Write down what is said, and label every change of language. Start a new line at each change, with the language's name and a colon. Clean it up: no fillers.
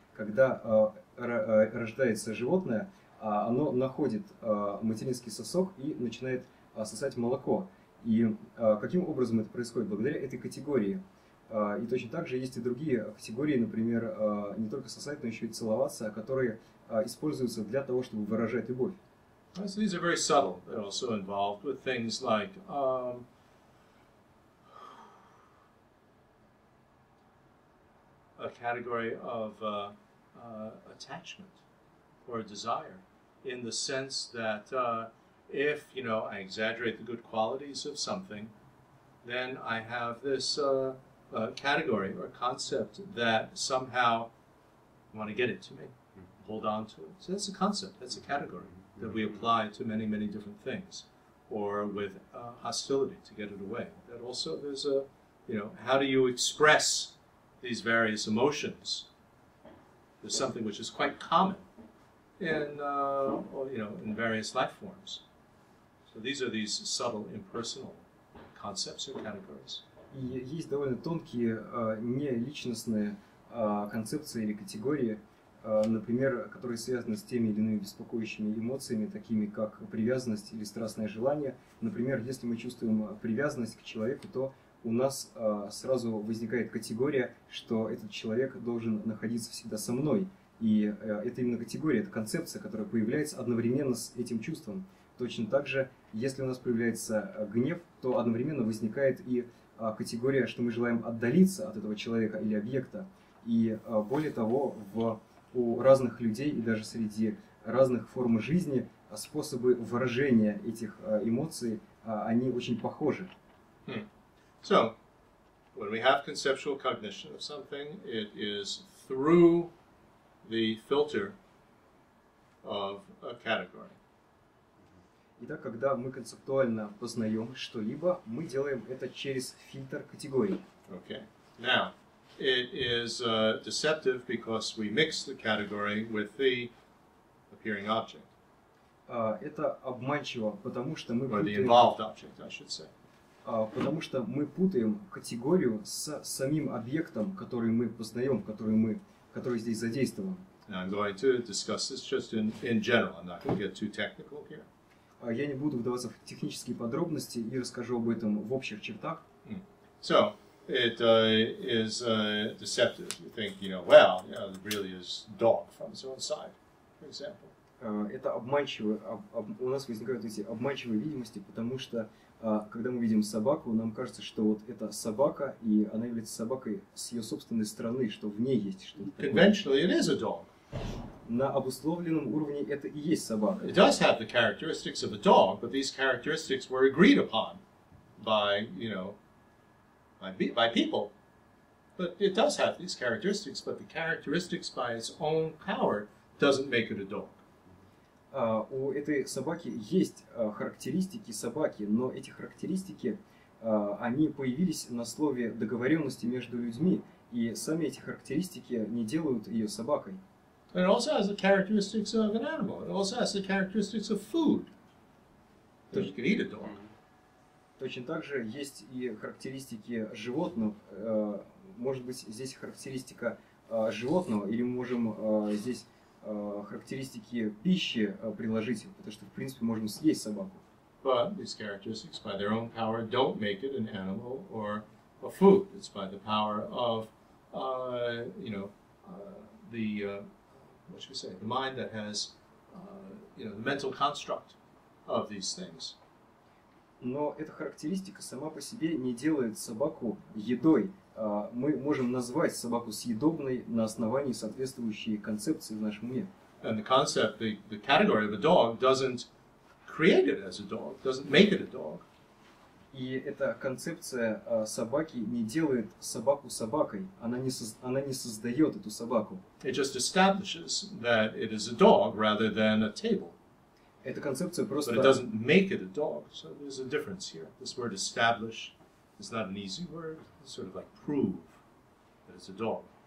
Russian: Когда рождается животное, оно находит материнский сосок и начинает сосать молоко. И каким образом это происходит? Благодаря этой категории. И точно так же есть и другие категории, например, не только сосать, но еще и целоваться, которые используются для того, чтобы выражать любовь.
English: So these are very subtle. They're also involved with things like a category of attachment or desire in the sense that if, you know, I exaggerate the good qualities of something, then I have this category or concept that somehow I want to get it to me, hold on to it. So that's a concept, that's a category that we apply to many, many different things, or with hostility to get it away. That also there's a, you know, how do you express these various emotions is something which is quite common in, you know, in various life forms. So these are these subtle impersonal concepts or categories.
Russian: Есть довольно тонкие неличностные концепции или категории, например, которые связаны с теми или иными беспокоящими эмоциями, такими как привязанность или страстное желание. Например, если мы чувствуем привязанность к человеку, то у нас сразу возникает категория, что этот человек должен находиться всегда со мной. И это именно категория, это концепция, которая появляется одновременно с этим чувством. Точно так же, если у нас появляется гнев, то одновременно возникает и категория, что мы желаем отдалиться от этого человека или объекта. И более того, у разных людей и даже среди разных форм жизни способы выражения этих эмоций, они очень похожи.
English: So, when we have conceptual cognition of something, it is through the filter of a category.
Russian: Итак, когда мы концептуально познаем что-либо, мы делаем это через фильтр категории.
English: Okay. Now, it is deceptive because we mix the category with the appearing object.
Russian: Это обманчиво, потому что мы путаем...
English: Or the involved object, I should say.
Russian: Потому что мы путаем категорию с самим объектом, который мы познаем, который здесь задействован.
English: Now, I'm going to discuss this just in general. I'm not going to get too technical here.
Russian: Я не буду вдаваться в технические подробности и расскажу об этом в общих чертах.
English: So, it is deceptive. You think, you know, well, you know, it really is dog from its own side, for example.
Russian: Это обманчиво. У нас возникают эти обманчивые видимости, потому что, когда мы видим собаку, нам кажется, что вот это собака, и она является собакой с ее собственной стороны, что в ней есть что-то такое.
English: Conventionally, it is a dog.
Russian: На обусловленном уровне это и есть собака.
English: It does have the characteristics of a dog, but these characteristics were agreed upon by, you know, by people. But it does have these characteristics, but the characteristics by its own power doesn't make it a dog.
Russian: У этой собаки есть характеристики собаки, но эти характеристики, они появились на слове договоренности между людьми, и сами эти характеристики не делают ее собакой.
English: It also has the characteristics of an animal. It also has the characteristics of food. So you can eat a dog.
Russian: Точно так же есть и характеристики животных. Может быть, здесь характеристика животного, или мы можем здесь характеристики пищи приложить, потому что, в принципе, можем съесть собаку.
English: But these characteristics, by their own power, don't make it an animal or a food. It's by the power of, you know, the... What should we say? The mind that has, you know, the mental construct of these things.
Russian: Но эта характеристика сама по себе не делает собаку едой. Мы можем назвать собаку съедобной на основании соответствующей концепции в нашем уме.
English: And the concept, the category of a dog doesn't create it as a dog, doesn't make it a dog.
Russian: И эта концепция собаки не делает собаку собакой, она не создает эту собаку.
English: It just establishes that it is a dog rather than a table.
Russian: Эта концепция просто...
English: But it doesn't make it a dog, so there's a difference here. This word establish is not an easy word, it's sort of like prove that it's a dog.